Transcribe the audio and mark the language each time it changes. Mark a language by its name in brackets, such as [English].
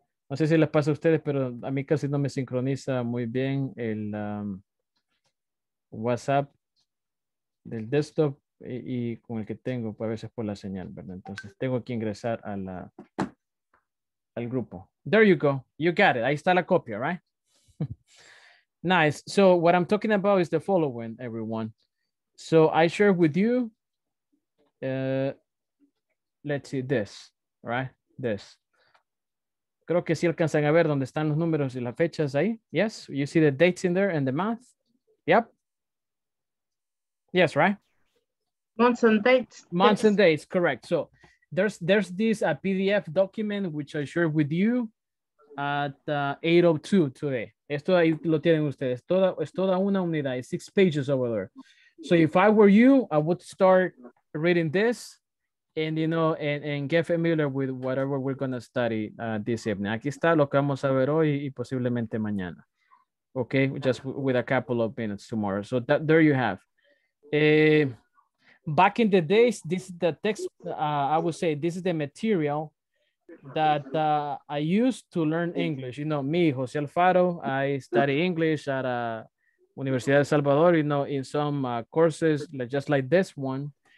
[Spanish] No sé si les pasa a ustedes, pero a mí casi no me sincroniza muy bien el WhatsApp del desktop. Y con el que tengo, pues a veces por la señal, ¿verdad? Entonces tengo que ingresar a la, al grupo. [English] There you go. You got it. [Spanish] Ahí está la copia, [English] right? Nice. So what I'm talking about is the following, everyone. So I share with you, let's see this, right? This. [Spanish] Creo que sí alcanzan a ver dónde están los números y las fechas ahí. [English] Yes. You see the dates in there and the month. Yep. Yes, right? Months and dates. Months and dates, correct. So there's this PDF document which I shared with you at 8:02 today. [Spanish] Esto ahí lo tienen ustedes. Es toda una unidad. [English] It's 6 pages over there. So if I were you, I would start reading this and, you know, and get familiar with whatever we're going to study this evening. [Spanish] Aquí está lo que vamos a ver hoy y posiblemente mañana. [English] Okay, just with a couple of minutes tomorrow. So that, there you have. Back in the days, this is the text, I would say, this is the material that I used to learn English. You know, me, Jose Alfaro, I study English at Universidad de Salvador, you know, in some courses, like, just like this one.